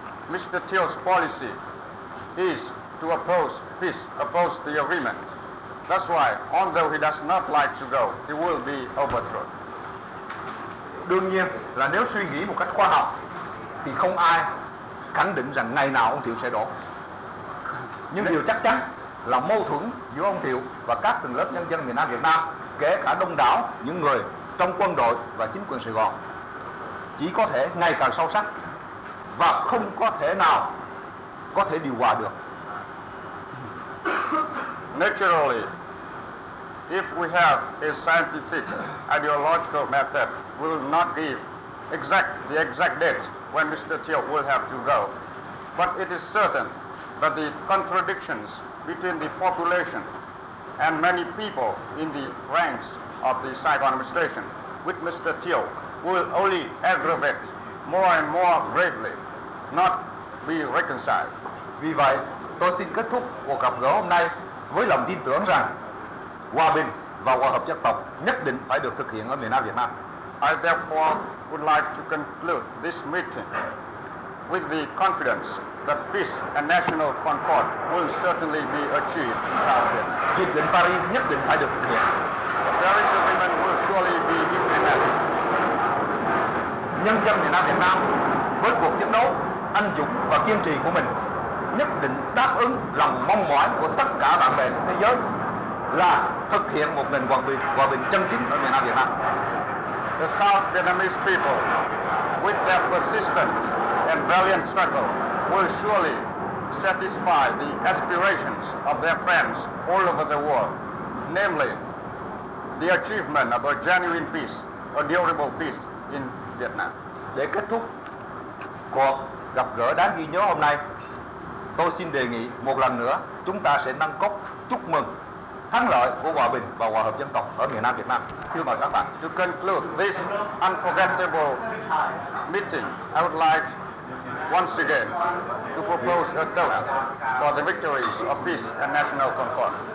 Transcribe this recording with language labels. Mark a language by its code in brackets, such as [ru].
[en] Mr. Thiel's policy is to oppose peace, oppose the agreement. That's why, although he does not like to go, he will be overthrown. [vi] Đương nhiên là nếu suy nghĩ một cách khoa học thì không ai khẳng định rằng ngày nào ông Thiệu sẽ đổ. Nhưng điều chắc chắn là mâu thuẫn giữa ông Thiệu và các tầng lớp nhân dân miền Nam Việt Nam, kể cả đông đảo những người trong quân đội và chính quyền Sài Gòn, chỉ có thể ngày càng sâu sắc và không có thể nào có thể điều hòa được. [en] Naturally, if we have a scientific ideological method, will not give the exact date when Mr. Thiệu will have to go. But it is certain that the contradictions between the population and many people in the ranks of the Saigon administration with Mr. Thiệu will only aggravate more and more gravely, not be reconciled. [vi] Vì vậy, tôi xin kết thúc cuộc gặp gỡ hôm nay với lòng tin tưởng rằng hòa bình và hòa hợp dân tộc nhất định phải được thực hiện ở miền Nam Việt Nam. [en] I therefore would like to conclude this meeting with the confidence that peace and national concord will certainly be achieved in South Vietnam. [vi] Hiệp định Paris nhất định phải được thực hiện. [en] The Paris Agreement will surely be implemented. [vi] Nhân dân miền Nam Việt Nam với cuộc chiến đấu anh dũng và kiên trì của mình nhất định đáp ứng lòng mong mỏi của tất cả bạn bè thế giới là thực hiện một nền hòa bình chân chính ở miền Nam Việt Nam. [en] The South Vietnamese people, with their persistent and valiant struggle, will surely satisfy the aspirations of their friends all over the world, namely the achievement of a genuine peace, a durable peace in Vietnam. [vi] Để kết thúc cuộc gặp gỡ đáng ghi nhớ hôm nay, tôi xin đề nghị một lần nữa chúng ta sẽ nâng cốc chúc mừng thắng lợi của hòa bình và hòa hợp dân tộc ở miền Nam Việt Nam. Xin mời các bạn. [en] To conclude this unforgettable meeting, I would like once again to propose a toast for the victories of peace and national concord.